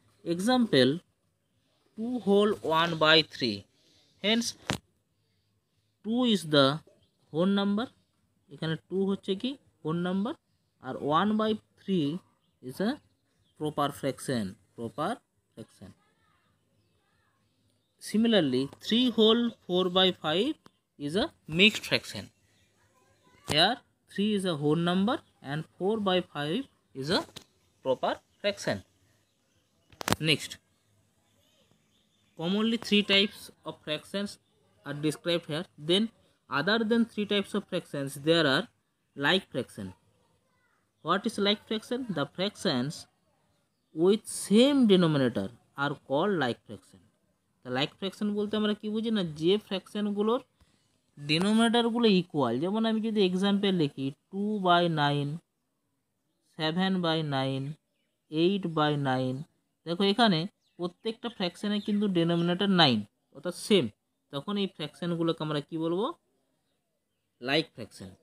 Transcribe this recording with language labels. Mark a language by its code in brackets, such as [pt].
[en] example 2 whole 1/3, hence 2 is the whole number, [bn] এখানে 2 হচ্ছে কি whole number, আর [en] 1/3 is a proper fraction, proper fraction. Similarly 3 whole 4/5 is a mixed fraction, here 3 is a whole number and 4 by 5 is a proper fraction. Next, commonly 3 types of fractions are described here. Then other than 3 types of fractions, there are like fraction. What is like fraction? The fractions with same denominator are called like fraction. The like fraction [bn] বলতে আমরা কি বুঝি না, যে fraction গুলোর denominator গুলো equal. যেমন আমি যদি এক্সাম্পল লিখি 2/9, 7/9, 8/9, দেখো এখানে প্রত্যেকটা ফ্র্যাকশনে কিন্তু ডিনোমিনেটর 9 অর্থাৎ সেম, তখন এই ফ্র্যাকশন গুলোকে আমরা কি বলবো, লাইক ফ্র্যাকশন।